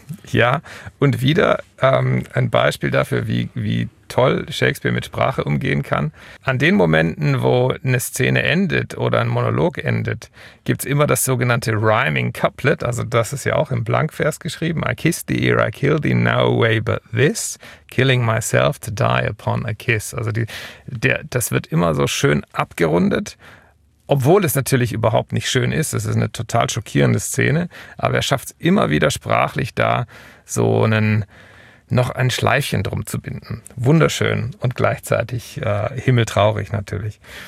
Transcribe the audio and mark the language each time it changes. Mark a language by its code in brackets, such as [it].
[de] Ja, und wieder ein Beispiel dafür, wie toll Shakespeare mit Sprache umgehen kann. An den Momenten, wo eine Szene endet oder ein Monolog endet, gibt es immer das sogenannte Rhyming Couplet. Also das ist ja auch im Blankvers geschrieben. [en] I kiss thee, I kill thee, no way but this. Killing myself to die upon a kiss. [de] Also das wird immer so schön abgerundet. Obwohl es natürlich überhaupt nicht schön ist, es ist eine total schockierende Szene, aber er schafft es immer wieder sprachlich da, so einen noch ein Schleifchen drum zu binden. Wunderschön und gleichzeitig himmeltraurig natürlich.